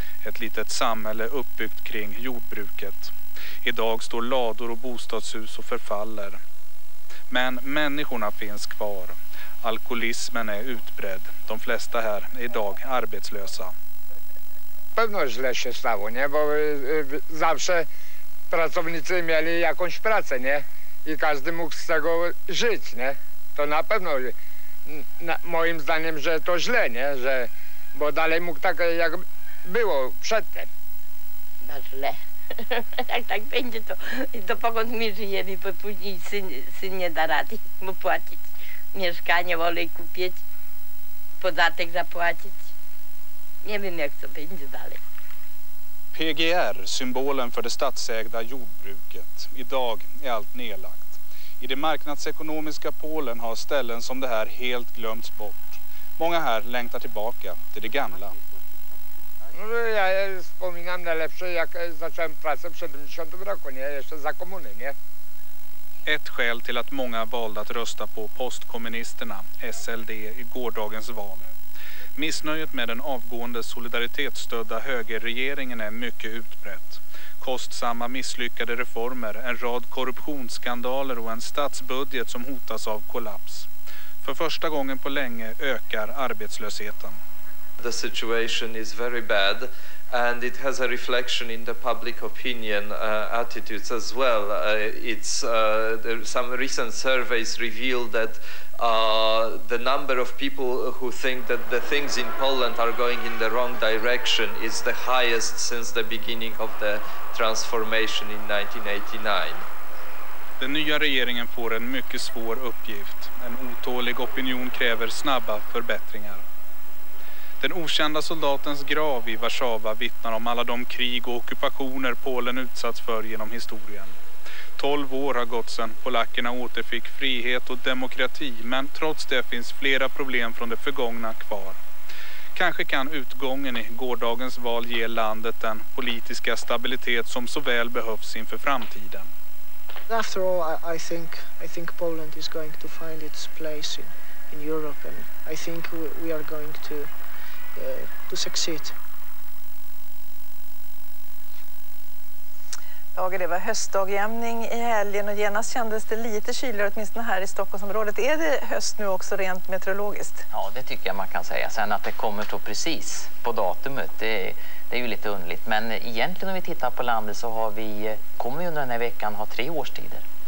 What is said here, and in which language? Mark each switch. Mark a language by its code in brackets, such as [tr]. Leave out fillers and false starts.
[sv] ett litet samhälle uppbyggt kring jordbruket. Idag står lador och bostadshus och förfaller. Men människorna finns kvar. Alkoholismen är utbredd. De flesta här är idag arbetslösa. [pl] Pewno źle się stało, nie? Bo zawsze pracownicy mieli jakąś pracę, nie? I każdy mógł z tego żyć, nie? To na pewno moim zdaniem, że to źle, nie? Że bo dalej mógł tak jak było przedtem. No źle. Jak tak będzie, to dopokąd my żyjemy, bo później syn nie da rady mu płacić mieszkanie, wolej kupić, podatek zapłacić. Nie wiem, jak to będzie dalej. [sv] PGR, symbolen för det statsägda jordbruket. Idag är allt nedlagt. I det marknadsekonomiska Polen har ställen som det här helt glömts bort. Många här längtar tillbaka till det gamla. [pl] Ja wspominam najlepsze, jak zacząłem pracę w 70 roku, nie? Jeszcze za komuny, nie? [sv] Ett skäl till att många valde att rösta på postkommunisterna, SLD, i gårdagens val. Missnöjet med den avgående solidaritetsstödda högerregeringen är mycket utbrett. Kostsamma misslyckade reformer, en rad korruptionsskandaler och en statsbudget som hotas av kollaps. För första gången på länge ökar arbetslösheten. [en] The situation is very bad and it has a reflection in the public opinion attitudes as well. Some recent surveys reveal that the number of people who think that the things in Poland are going in the wrong direction is the highest since the beginning of the transformation in 1989. [sv] Den nya regeringen får en mycket svår uppgift. En otålig opinion kräver snabba förbättringar. Den okända soldatens grav i Warszawa vittnar om alla de krig och ockupationer Polen utsatts för genom historien. 12 år har gått sedan polackerna återfick frihet och demokrati, men trots det finns flera problem från det förgångna kvar. Kanske kan utgången i gårdagens val ge landet den politiska stabilitet som så väl behövs inför framtiden. [en] After all, I think Poland is going to find its place in Europe and I think we are going to succeed. [sv] Dagar, det var höstdagjämning i helgen och genast kändes det lite kyligare, åtminstone här i Stockholmsområdet. Är det höst nu också rent meteorologiskt? Ja, det tycker jag man kan säga. Sen att det kommer så precis på datumet, det är ju lite underligt. Men egentligen om vi tittar på landet så kommer vi under den här veckan ha 3 årstider.